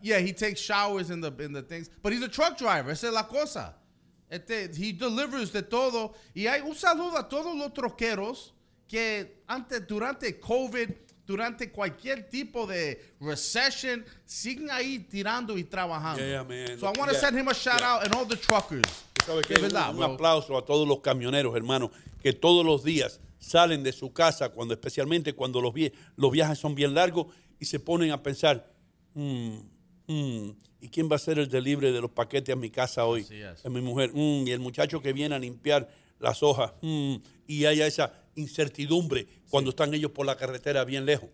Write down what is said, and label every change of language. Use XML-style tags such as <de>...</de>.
<en>Yeah, he takes showers in the things. But he's a truck driver,</en> <es>esa es la cosa.</es> <en>He delivers</en> <es>de todo. Y hay un saludo a todos los troqueros que antes, durante COVID, durante cualquier tipo de recession, siguen ahí tirando y trabajando.</es> <en>Yeah, man. So I want to send him a shout out and all the truckers.</en> <es>¿Sabes qué? Un aplauso a todos los camioneros, hermano, que todos los días salen de su casa, cuando especialmente cuando los viajes son bien largos, y se ponen a pensar, ¿y quién va a ser el delivery de los paquetes a mi casa hoy? Así es. Mi mujer. Y el muchacho que viene a limpiar las hojas. Y haya esa incertidumbre cuando están ellos por la carretera bien lejos.</es>